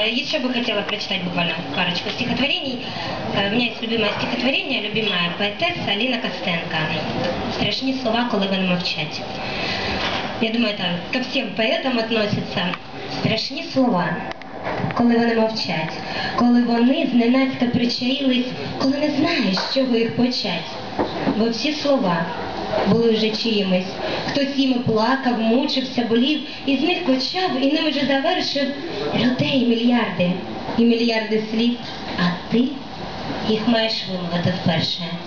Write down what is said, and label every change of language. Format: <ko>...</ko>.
<ru>Еще бы хотела прочитать буквально парочку стихотворений. У меня есть любимое стихотворение, любимая поэтесса Алина Костенко.</ru> <uk>«Страшні слова, коли вони мовчать».</uk> <ru>Я думаю, это ко всем поэтам относится.</ru> <uk>«Страшні слова, коли вони мовчать, коли вони зненацька причаїлись, коли не знаєш, з чого їх почать. Бо всі слова були вже чиїмись, хтось їм плакав, мучився, болів, і з них почав, і ним вже завершив людей мільярди, і мільярди слів, а ти їх маєш вимовити вперше.</uk>